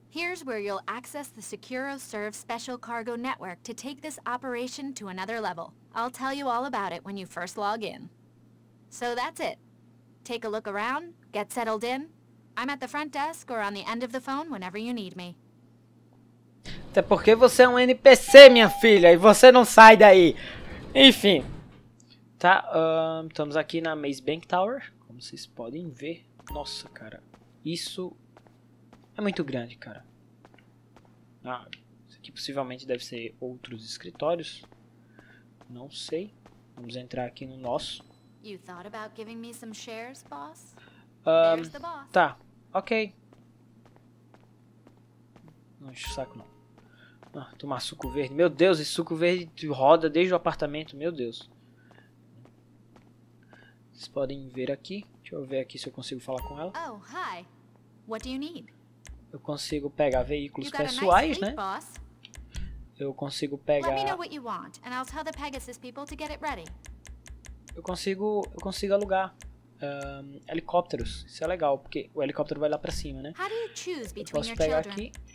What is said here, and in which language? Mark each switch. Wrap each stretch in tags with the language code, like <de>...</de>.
<en>Here's where you'll access the SecuroServe special cargo network to take this operation to another level. I'll tell you all about it when you first log in. So that's it. Take a look around, get settled in. I'm at the front desk or on the end of the phone whenever you need me.</en> <pt>Até porque você é um NPC, minha filha, e você não sai daí. Enfim. Tá, estamos aqui na Maze Bank Tower, como vocês podem ver. Nossa, cara, isso é muito grande, cara. Ah, isso aqui possivelmente deve ser outros escritórios. Não sei. Vamos entrar aqui no nosso.</pt> <en>You thought about giving me some shares, boss?</en> <pt>Tá, ok. Não enche o saco, não. Ah, tomar suco verde. Meu Deus, esse suco verde roda desde o apartamento. Meu Deus. Vocês podem ver aqui. Deixa eu ver aqui se eu consigo falar com ela.</pt> <en>Oh, hi. What do you need?</en> <pt>Eu consigo pegar veículos pessoais,</pt> <en>nice</en> <pt>né? Boss. Eu consigo pegar.</pt> <en>Let me know what you want, and I'll tell the Pegasus people to get it ready.</en> <pt>Eu consigo alugar. helicópteros. Isso é legal, porque o helicóptero vai lá pra cima, né? Eu posso pegar aqui.</pt>